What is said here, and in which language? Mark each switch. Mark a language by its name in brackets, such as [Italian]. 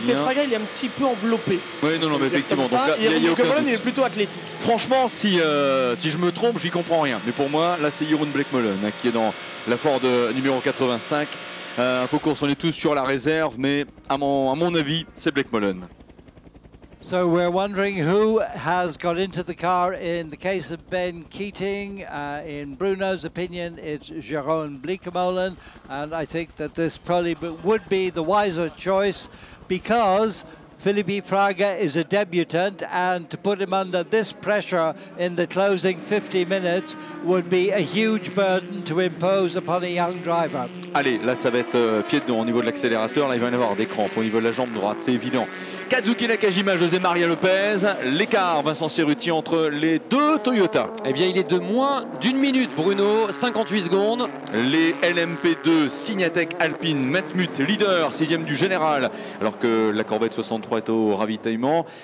[French] Felipe Fraga il est un petit peu enveloppé. Oui non mais effectivement, donc, Jeroen Bleekmolen il est plutôt athlétique. Franchement si je me trompe j'y comprends rien, mais pour moi là c'est Jeroen Bleekmolen hein, qui est dans la Ford numéro 85. Info course, on est tous sur la réserve, mais à mon avis c'est Bleekmolen. [English] So we're wondering who has got into the car in the case of Ben Keating. In Bruno's opinion, it's Jeroen Bleekmolen. And I think that this probably would be the wiser choice because Felipe Fraga is a debutant and to put him under this pressure in the closing 50 minutes would be a huge burden to impose upon a young driver. [French] Allez, là ça va être pied dedans au niveau de l'accélérateur, là il va y avoir des crampes au niveau de la jambe droite, c'est évident. Kazuki Nakajima, José María López, l'écart Vincent Cerutti entre les deux Toyota. Eh bien il est de moins d'une minute Bruno, 58 secondes. Les LMP2, Signatec Alpine, Matmut, leader, 6e du général, alors que la Corvette 63 est au ravitaillement.